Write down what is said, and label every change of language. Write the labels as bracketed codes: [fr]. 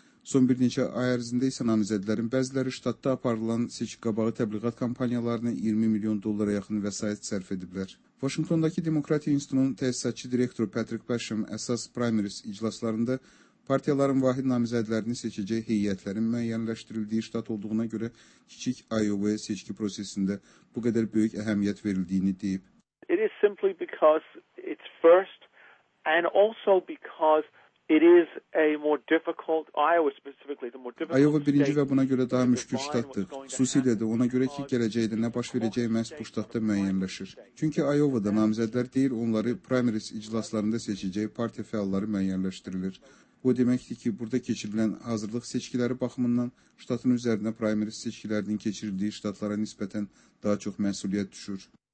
[az] Son bir neçə ay ərzində isə namizədlərin bəziləri ştatda aparılan seçki qabağı təbliğat kampaniyalarına 20 milyon dollara yaxın vəsait sərf ediblər. Washingtondakı Demokratiya İnstitutunun təsisatçı direktoru Patrick Basham əsas primaries iclaslarında partiyaların vahid namizədlərini seçəcək heyətlərin müəyyənləşdirildiyi ştat olduğuna görə kiçik Iowa seçki prosesində bu qədər böyük əhəmiyyət verildiyini deyib. [en] It is simply because it's first and also because it is a more difficult Iowa specifically the more difficult [az] Iowa birinci və buna görə daha müşkül ştatdır. Xüsusilə də ona görə ki, gələcəkdə nə baş verəcəyi məhz bu ştatda müəyyənləşir. Çünki Iowa'da namizədlər deyil, onları primaries iclaslarında seçəcəyi partiya fəalları müəyyənləşdirilir. Bu deməkdir ki, burada keçirilən hazırlıq seçkiləri baxımından ştatın üzərinə primaries seçkilərinin keçirildiyi ştatlara nisbətən daha çox məsuliyyət düşür.